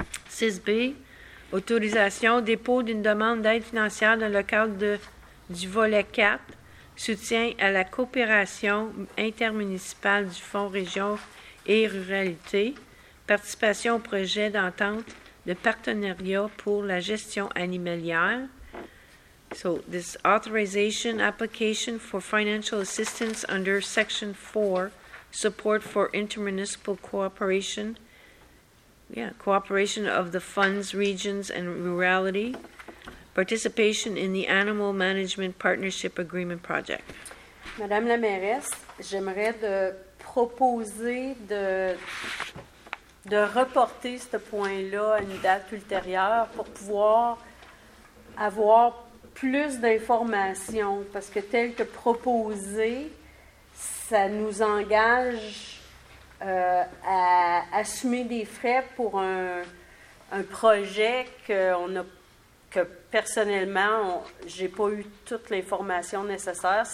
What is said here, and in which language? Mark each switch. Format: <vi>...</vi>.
<fr>6B, autorisation, dépôt d'une demande d'aide financière dans le cadre du volet 4, soutien à la coopération intermunicipale du Fonds Région et Ruralité. Participation au projet d'entente de partenariat pour la gestion animalière.</fr> <en>So, this authorization application for financial assistance under Section 4 support for intermunicipal cooperation. Yeah, cooperation of the funds, regions, and rurality. Participation in the Animal Management Partnership Agreement Project.</en> <fr>Madame la mairesse, j'aimerais de proposer de reporter ce point-là à une date ultérieure pour pouvoir avoir plus d'informations, parce que tel que proposé, ça nous engage à assumer des frais pour un projet qu'on a, que personnellement, j'ai pas eu toute l'information nécessaire.</fr>